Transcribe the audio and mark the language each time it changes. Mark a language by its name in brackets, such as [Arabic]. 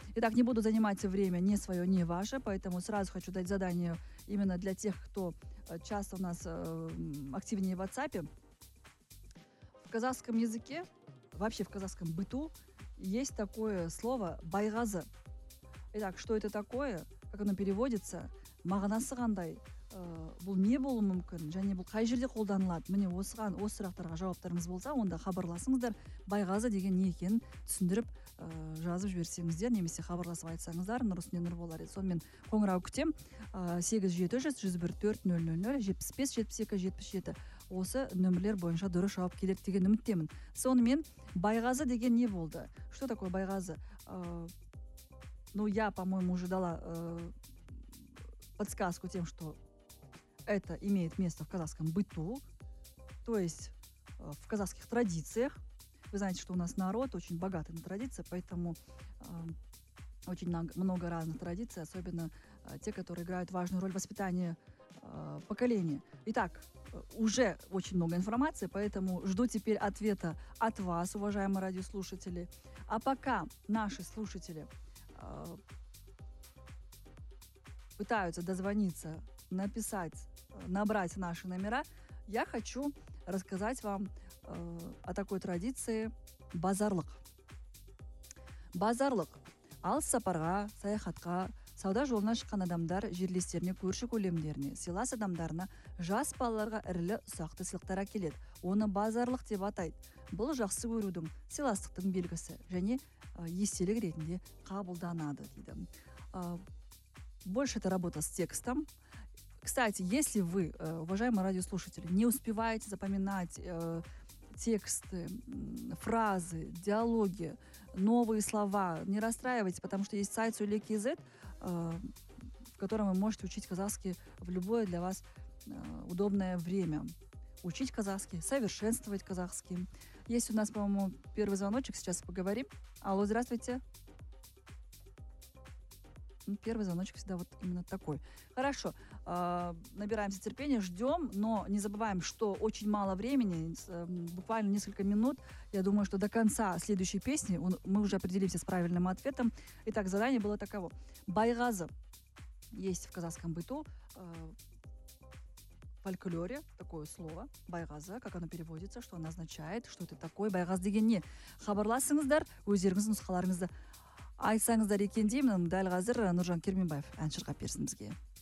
[Russian] Итак, не буду занимать время ни свое, ни ваше, поэтому сразу хочу дать задание именно для тех, кто часто у нас активнее в WhatsApp. В казахском языке, вообще в казахском быту, есть такое слово «байгаза». Итак, что это такое? Как оно переводится? [Kazakh] «Мағанасы қандай». Бұл не болу мүмкін, және бұл қай жерде қолданылады? Міне осыған, осы сұрақтарға жауаптарыңыз болса, онда хабарласыңыздар. Байғазы деген не екенін түсіндіріп, жазып жіберсеңіздер, немесе хабарласып айтсаңыздар, Нұрсіне Нұр болар еді. Сонымен қоңырау күтем, 8-700-101-400-75-72-77 осы нөмірлер бойынша дұрыс жауап келеді деген үміттемін. Сонымен байғазы деген не болды? [Russian] Что такое байғазы? Ну, я, по-моему, уже дала подсказку тем, что это имеет место в казахском быту, то есть в казахских традициях. Вы знаете, что у нас народ очень богатый на традиции, поэтому очень много разных традиций, особенно те, которые играют важную роль в воспитании поколения. Итак, уже очень много информации, поэтому жду теперь ответа от вас, уважаемые радиослушатели. А пока наши слушатели пытаются дозвониться, написать, набрать наши номера, я хочу рассказать вам о такой традиции базарлық. Базарлық. [Kazakh] Алыс сапарға, саяхатқа, сауда жолына шыққан адамдар жерлестеріне көрші көлемдеріне, сыйлас адамдарына жас балаларға ірілі ұсақты сыйлықтар әкеледі. Оны базарлық деп атайды. Бұл жақсы көрудің, сыйластықтың белгісі және естелік ретінде қабылданады, дейді. [Russian] Больше это работа с текстом. Кстати, если вы, уважаемые радиослушатели, не успеваете запоминать тексты, фразы, диалоги, новые слова, не расстраивайтесь, потому что есть сайт Сулья.кз, в котором вы можете учить казахский в любое для вас удобное время. Учить казахский, совершенствовать казахский. Есть у нас, по-моему, первый звоночек, сейчас поговорим. Алло, здравствуйте. Ну, первый звоночек всегда вот именно такой. Хорошо, набираемся терпения, ждем, но не забываем, что очень мало времени, буквально несколько минут. Я думаю, что до конца следующей песни мы уже определимся с правильным ответом. Итак, задание было таково. Байгазы есть в казахском быту, фольклоре такое слово. Байгазы, как оно переводится, что оно означает, что это такое. [Kazakh] Байгаз деген не? Хабарласыңыздар, өздеріңіз, нұсқаларыңызды. Айтсаңыздар екен деймін, дәл қазір Нұржан Керменбаев ән шырқап берсін бізге.